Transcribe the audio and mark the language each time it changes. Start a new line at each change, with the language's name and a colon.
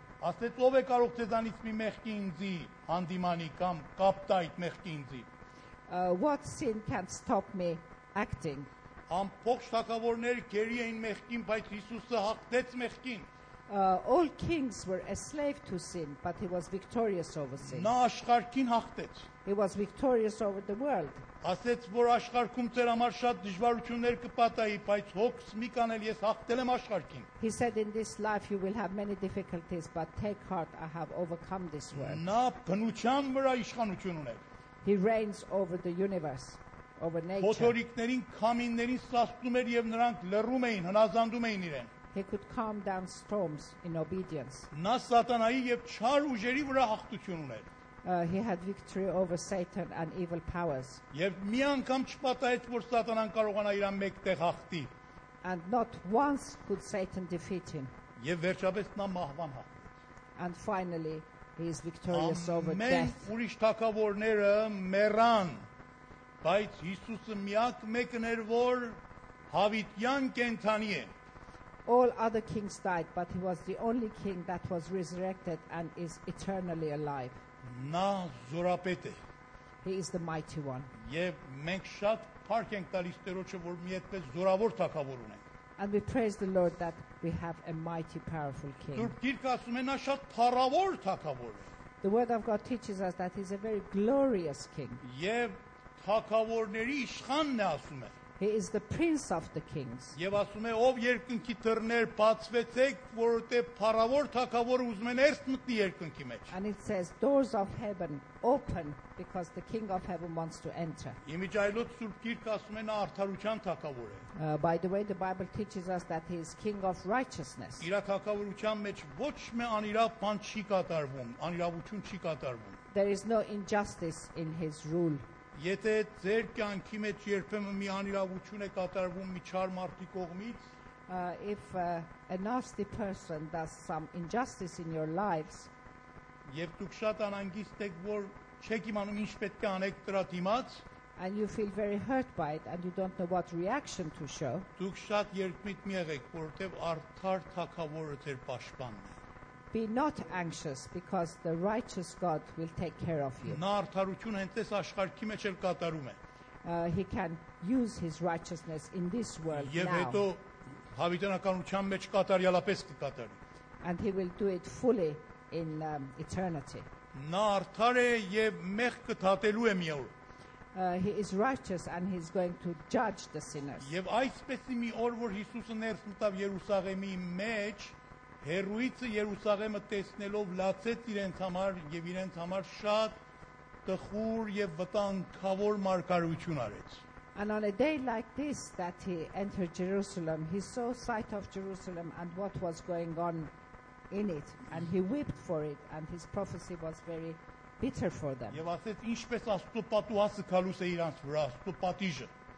English: What sin can stop me acting? All kings were a slave to sin, but he was victorious over sin. He was victorious over the world.
Armenian: ասեց, որ աշխարհքում ձեր համար շատ դժվարություններ կպատահի, բայց հոգս մի կանել, ես հաղթել եմ աշխարհքին.
English: He said, in this life you will have many difficulties, but take heart, I have overcome this world.
Armenian: Նա բնության վրա իշխանություն ուներ.
English: He reigns over the universe. Over nature.
Armenian: Փոթորիկներին, քամիներին սաստում էր եւ նրանք լռում էին, հնազանդում էին իրեն.
English: He could calm down storms in obedience.
Armenian: Նա սատանայի եւ չար ուժերի վրա հաղթություն ուներ.
English: He had victory over Satan and evil powers.
Armenian: Եվ մի անգամ չպատահեց, որ սատանան կարողանա իրան մեկտեղ հաղթի.
English: And not once could Satan defeat him.
Armenian: Եվ վերջապես նա մահվան հաղթեց.
English: And finally he is victorious over death.
Armenian: Մեր ուրիշ թագավորները մեռան. Բայց Հիսուսը միակ մեկն էր, որ հավիտյան կենդանի է.
English: All other kings died, but he was the only king that was resurrected and is eternally alive.
Armenian: Նա զորապետ է.
English: He is the mighty one.
Armenian: Եվ մենք շատ փառք ենք տալիս Տերոջը, որ մի այդպես զորավոր թագավոր ունենք.
English: And we praise the Lord that we have a mighty, powerful king.
Armenian: Սուրբ Գիրքը ասում է, նա շատ փառավոր թագավոր է.
English: The word of God teaches us that he is a very glorious king.
Armenian: Եվ թագավորների իշխանն է ասում է.
English: He is the prince of the kings.
Armenian: Եվ ասում է, ով երկնքի դռներ բացվեցեք, որովհետև փառավոր թագավորը ուզում է ներս մտնել երկնքի մեջ.
English: And it says, doors of heaven open because the king of heaven wants to enter.
Armenian: Իմիջայլոց Սուրբ Գիրքը ասում է, նա արդարության թագավոր է.
English: By the way, the Bible teaches us that he is king of righteousness.
Armenian: Իր թագավորության մեջ ոչ մի անիրավ բան չի կատարվում, անիրավություն չի կատարվում.
English: There is no injustice in his rule.
Armenian: Եթե ձեր կյանքի մեջ երբեմն մի անիրավություն է կատարվում մի չար մարդի կողմից,
English: if a nasty person does some injustice in your lives,
Armenian: եւ դուք շատ անհանգիստ եք, որ չեք իմանում ինչ պետք է անեք դրա դիմաց,
English: and you feel very hurt by it and you don't know what reaction to show,
Armenian: դուք շատ երկմիտ մի եղեք, որովհետեւ արդար թագավորը ձեր պաշտպանն է.
English: Be not anxious because the righteous God will take care of you.
Armenian: Նա արդարություն հենց աշխարհքի մեջ էլ կատարում է.
English: He can use his righteousness in this world
Armenian: now. Եվ հետո հավիտենականության մեջ կատարյալապես կկատարի.
English: And he will do it fully in eternity.
Armenian: Նա արդար է եւ մեղքը դատելու է մի օր.
English: He is righteous and he is going to judge the sinners.
Armenian: Եվ այսպես մի օր, որ Հիսուսը ներս մտավ Երուսաղեմի մեջ, Հերույցը Երուսաղեմը տեսնելով լացեց իրենց համար եւ իրենց համար շատ տխուր եւ վտանգավոր մարգարություն արեց.
English: And on a day like this that he entered Jerusalem, he saw sight of Jerusalem and what was going on in it, and he wept for it, and his prophecy was very bitter for them.
Armenian: Եվ ասեց, ինչպես Աստծո պատուհանը գալուս է իրանց վրա, Աստծո պատիժը.